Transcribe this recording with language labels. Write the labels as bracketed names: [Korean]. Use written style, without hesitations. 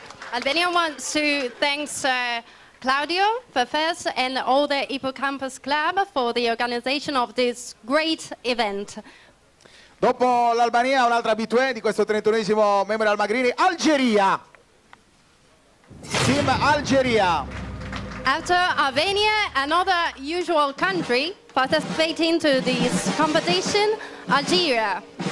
[English] And then I want to thanks Claudio for first and all the Hippocampus Club for the organization of this great event. [Italian] Dopo l'Albania, un'altra abitué di questo 31esimo membro al Magrini, Algeria. Team Algeria. [English] After Albania, another usual country participating to this competition, Algeria.